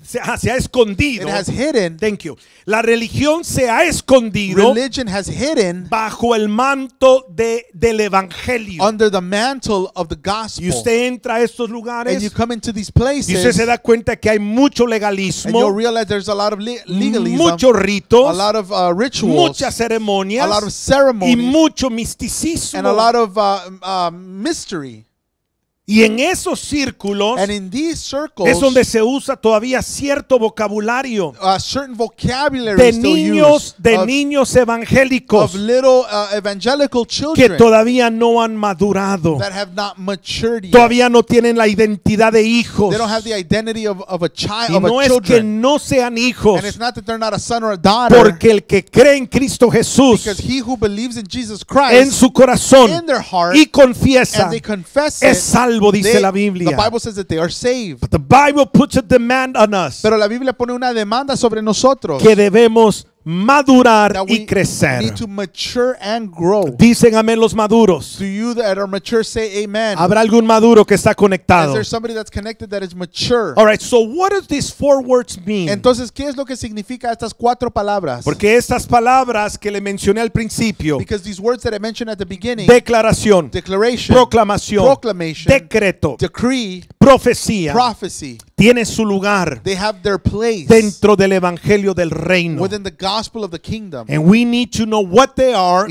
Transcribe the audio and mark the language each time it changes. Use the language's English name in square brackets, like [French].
[Spanish] se ha escondido. [English] It has hidden. Thank you. [Spanish] La religión se ha escondido, [English] religion has hidden, [Spanish] bajo el manto del evangelio. [English] Under the mantle of the gospel. [Spanish] Y usted entra a estos lugares, [English] and you come into these places, [Spanish] y usted se da cuenta que hay mucho legalismo, [English] and you realize there's a lot of legalism, [Spanish] muchos ritos, [English] a lot of rituals, [Spanish] muchas ceremonias, [English] a lot of ceremonies, [Spanish] mucho misticismo, [English] and a lot of mystery. [Spanish] Y en esos círculos, [English] and in these circles, [Spanish] es donde se usa todavía cierto vocabulario, [English] certain vocabulary [Spanish] de niños, de niños evangélicos, [English] of little evangelical children, [Spanish] que todavía no han madurado, [English] that have not matured yet. [Spanish] Todavía no tienen la identidad de hijos. [English] They don't have the identity of a child, [Spanish] y no [English] of a [Spanish] es [English] children. [Spanish] Que no sean hijos, [English] and it's not that they're not a son or a daughter, [Spanish] porque el que cree en Cristo Jesús, [English] because he who believes in Jesus Christ, [Spanish] en su corazón, [English] in their heart, [Spanish] y confiesa, [English] and they confess [Spanish] es [English] it, [Spanish] salvo, dice la Biblia. [English] The Bible says that they are saved. But the Bible puts a demand on us. [Spanish] Pero la Biblia pone una demanda sobre nosotros. Que debemos madurar y crecer. [English] Need to mature and grow. [Spanish] Dicen amén los maduros. [English] Do you that are mature say amen? [Spanish] ¿Habrá algún maduro que está conectado? [English] Is there somebody that's connected that is mature? All right, so what do these four words mean? [Spanish] Entonces, ¿qué es lo que significa estas cuatro palabras? Porque estas palabras que le mencioné al principio. [English] Because these words that I mentioned at the beginning. [Spanish] Declaración. [English] Declaration. [Spanish] Proclamación. [English] Proclamation. [Spanish] Decreto. [English] Decree. [Spanish] Profecía. [English] Prophecy. [Spanish] Tiene su lugar. [English] They have their place. [Spanish] Dentro del evangelio del reino. [English] Within the gospel of the kingdom. And we need to know what they are.